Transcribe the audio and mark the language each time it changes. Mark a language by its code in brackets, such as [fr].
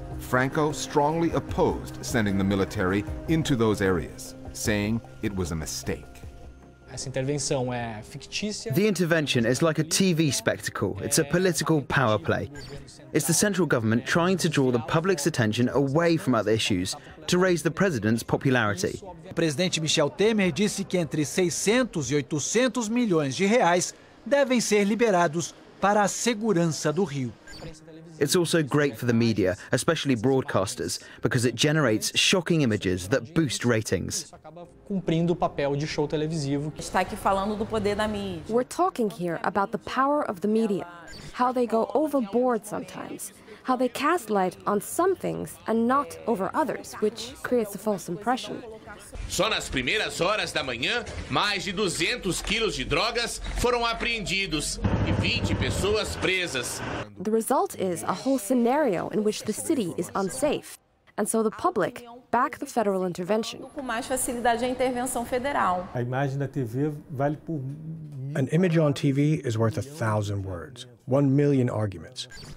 [en] Franco strongly opposed sending the military into those areas, saying it was a mistake. The intervention is like a TV spectacle. It's a political power play. It's the central government trying to draw the public's attention away from other issues to raise the president's popularity. [pt] President Michel Temer disse que entre 600 e 800 milhões de reais devem ser liberados para a segurança do Rio. [en] It's also great for the media, especially broadcasters, because it generates shocking images that boost ratings. [pt] Cumprindo o papel de show televisivo. Está aqui falando do poder da mídia. [en] We're talking here about the power of the media, how they go overboard sometimes, how they cast light on some things and not over others, which creates a false impression. [pt] Só nas primeiras horas da manhã, mais de 200 quilos de drogas foram apreendidos e 20 pessoas presas. [en] The result is a whole scenario in which the city is unsafe, and so the public back the federal intervention. [pt] Com mais facilidade a intervenção federal. A imagem da TV vale por... [en] An image on TV is worth 1,000 words, 1,000,000 arguments.